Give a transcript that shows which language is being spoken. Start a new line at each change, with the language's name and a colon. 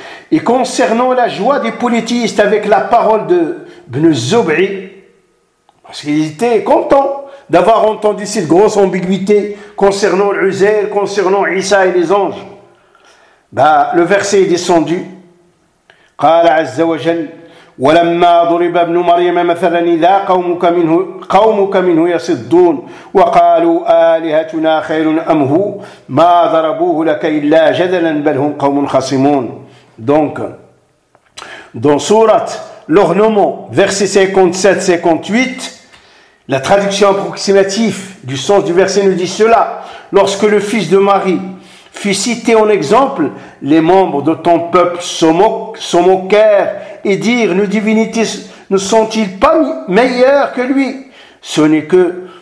French: Et concernant la joie des polythéistes avec la parole de Ibn Zub'i, parce qu'ils étaient contents d'avoir entendu cette grosse ambiguïté concernant l'Uzair, concernant Isa et les anges, bah, le verset est descendu.
Arabic: Qala azza wa jalla ولما ضرب ابن مريم مثلا إذا قومك منه يصدون وقالوا آلهتنا خير أم هو ما ضربوه لك إلا جدلا بل هم قوم خصمون.
French: Donc dans sourate l'ornement verset 57-58, la traduction approximative du sens du verset nous dit cela. Lorsque le fils de Marie fut cité en exemple, les membres de ton peuple se moquèrent et dirent, nos divinités ne sont-ils pas meilleures que lui? Ce n'est que